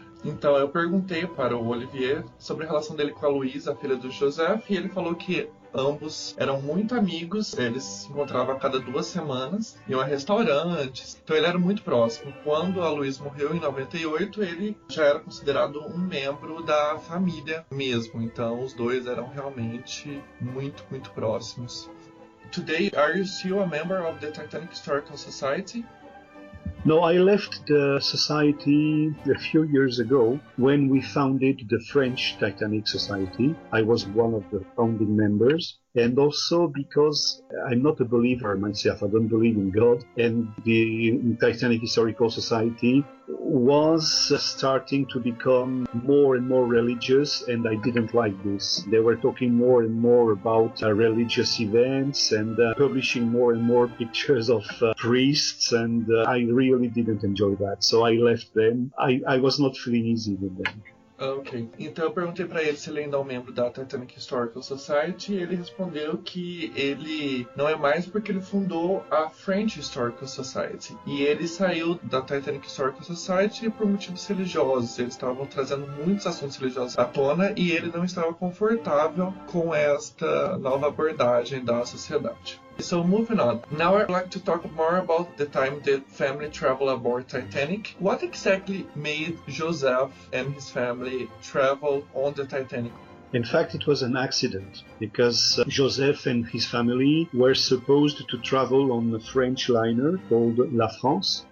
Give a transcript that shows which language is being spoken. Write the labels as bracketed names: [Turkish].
[Portuguese] Então, eu perguntei para o Olivier sobre a relação dele com a Louise, a filha do Joseph, e ele falou que ambos eram muito amigos, eles se encontravam a cada 2 semanas, iam a restaurantes, então ele era muito próximo. Quando a Louise morreu em 98, ele já era considerado um membro da família mesmo, então os dois eram realmente muito, muito próximos. [English] Today, are you still a member of the Titanic Historical Society? No, I left the society a few years ago when we founded the French Titanic Society. I was one of the founding members. And also because I'm not a believer myself, I don't believe in God. And the Titanic Historical Society was starting to become more and more religious, and I didn't like this. They were talking more and more about religious events and publishing more and more pictures of priests, and I really didn't enjoy that. So I left them. I was not feeling easy with them. Ok. [Portuguese] Então eu perguntei para ele se ele ainda é um membro da Titanic Historical Society, e ele respondeu que ele não é mais porque ele fundou a French Historical Society. E ele saiu da Titanic Historical Society por motivos religiosos. Eles estavam trazendo muitos assuntos religiosos à tona e ele não estava confortável com esta nova abordagem da sociedade. [English] So moving on, now I'd like to talk more about the time the family traveled aboard Titanic. What exactly made Joseph and his family travel on the Titanic? In fact, it was an accident, because Joseph and his family were supposed to travel on a French liner called La France.